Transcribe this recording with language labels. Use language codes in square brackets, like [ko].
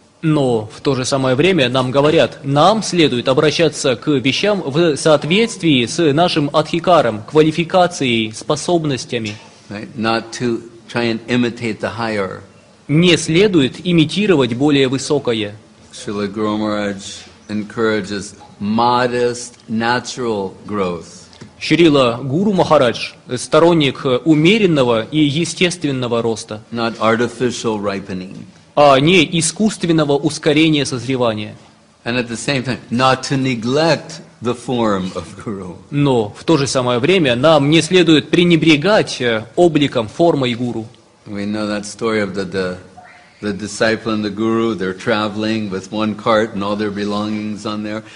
[ru] Но в то же самое время нам говорят, нам следует обращаться к вещам в соответствии с нашим адхикаром, квалификацией, способностями. [en] Right? Not to try and imitate the higher. [ru] Не следует имитировать более высокое. [en] Шрила Гуру Махарадж encourages modest, natural growth. [ru] Шрила Гуру Махарадж – сторонник умеренного и естественного роста. [en] Not artificial ripening. [ru] А не искусственного ускорения созревания. [en] And at the same time, not to neglect the form of guru. [ru] Но в то же самое время нам не следует пренебрегать обликом, формой гуру. [en] We know that story of the disciple and the guru. They're traveling with one cart and all their belongings on there.